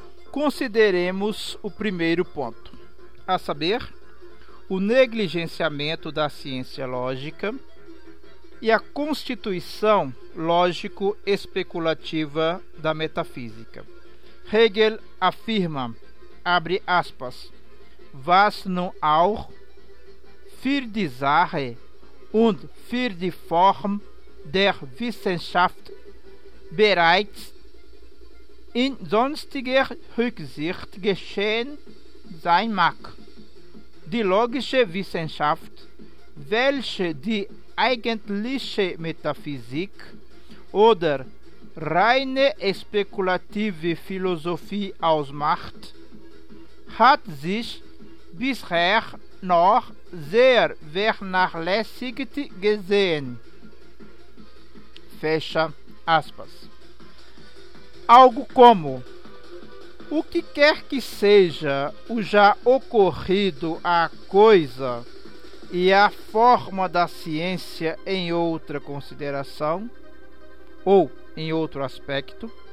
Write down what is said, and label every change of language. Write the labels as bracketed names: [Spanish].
[Portuguese] Consideremos o primeiro ponto, a saber, o negligenciamento da ciência lógica e a constituição lógico-especulativa da metafísica. Hegel afirma, abre aspas, [German] Was nun auch, für die Sache und für die Form der Wissenschaft bereits in sonstiger Rücksicht geschehen sein mag. Die logische Wissenschaft, welche die eigentliche Metaphysik oder reine spekulative Philosophie ausmacht, hat sich bisher noch sehr vernachlässigt gesehen. [Portuguese] Fecha aspas. Algo como, o que quer que seja o já ocorrido à coisa e a forma da ciência em outra consideração, ou em outro aspecto,